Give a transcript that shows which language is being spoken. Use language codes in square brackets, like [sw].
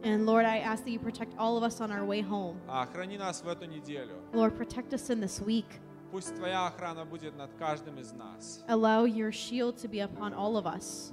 [en] And Lord, I ask that you protect all of us on our way home. [ru] Храни нас в эту неделю. [en] Lord, protect us in this week. [ru] Пусть твоя охрана будет над каждым из нас. [en] Allow your shield to be upon all of us.